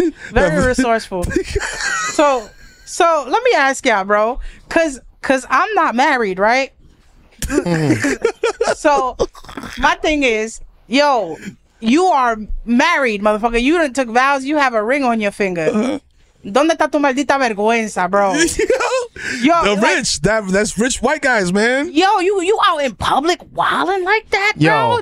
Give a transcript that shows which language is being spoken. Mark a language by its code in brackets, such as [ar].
[en] Very resourceful. So let me ask y'all, bro. Cause I'm not married, right? So my thing is, yo, you are married, motherfucker. You done took vows. You have a ring on your finger. [es] ¿Dónde está tu maldita vergüenza, bro? [en] Yo, the rich, like, that's rich white guys, man. Yo, you out in public wilding like that, bro?